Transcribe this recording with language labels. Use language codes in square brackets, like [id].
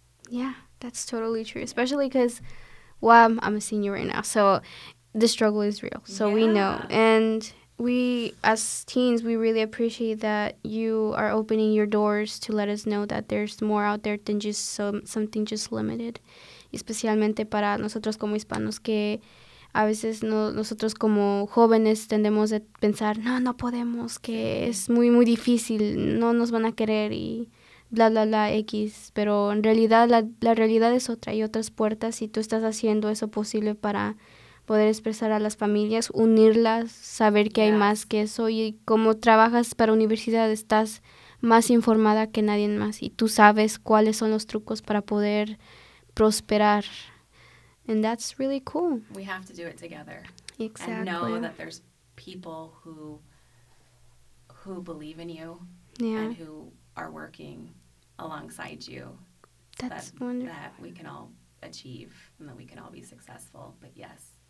[en] Yeah, that's totally true, especially because, well, I'm a senior right now, so the struggle is real, so yeah, we know. And we, as teens, we really appreciate that you are opening your doors to let us know that there's more out there than just something just limited. [es] Especialmente para nosotros como hispanos, que a veces nosotros como jóvenes tendemos a pensar, no podemos, que es muy, muy difícil, no nos van a querer y bla, bla, bla, X. Pero en realidad la realidad es otra, hay otras puertas, y tú estás haciendo eso posible para poder expresar a las familias, unirlas, saber que, [en] yes, [es] hay más que eso. Y como trabajas para universidad, estás más informada que nadie más y tú sabes cuáles son los trucos para poder prosperar. [en] And that's really cool. We have to do it together. Exactly. And know that there's people who believe in you, yeah, and who are working alongside you. That's wonderful. That we can all achieve and that we can all be successful. But yes.